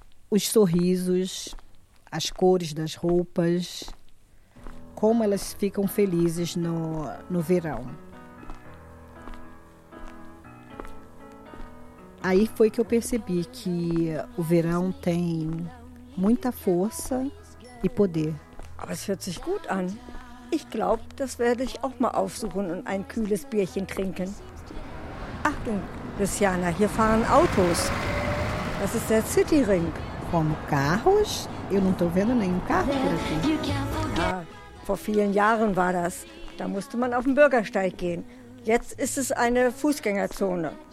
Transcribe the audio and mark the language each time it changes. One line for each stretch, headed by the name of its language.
Portuguese: Os sorrisos, as cores das roupas, como elas ficam felizes no verão. Aí foi que eu percebi que o verão tem muita força e poder.
German: Aber es hört sich gut an. Ich glaube, das werde ich auch mal aufsuchen und ein kühles Bierchen trinken. Achtung, Luciana, hier fahren Autos. Das ist der City Ring.
Portuguese: Como carros? Eu não estou vendo nenhum carro por aqui.
German: Ja, vor vielen Jahren war das. Da musste man auf den Bürgersteig gehen. Jetzt ist es eine Fußgängerzone.